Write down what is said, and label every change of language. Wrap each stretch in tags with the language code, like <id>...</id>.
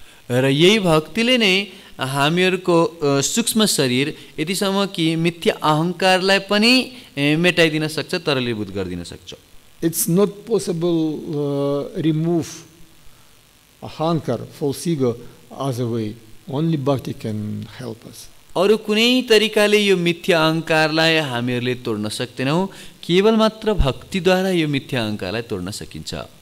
<ne>र यही भक्तिले नै हामीहरूको सूक्ष्म शरीर यतिसम्म कि मिथ्या अहङ्कारलाई पनि मेटाइदिन सक्छ तरलीभूत गरिदिन सक्छ</ne> <en>it's not possible remove ahankar false ego as a way only bhakti can help us</en> <ne>अरू कुनै तरिकाले यो मिथ्या अहङ्कारलाई हामीहरूले तोड्न सक्दैनौँ केवल मात्र भक्तिद्वारा यो मिथ्या अहङ्कारलाई तोड्न सकिन्छ</ne>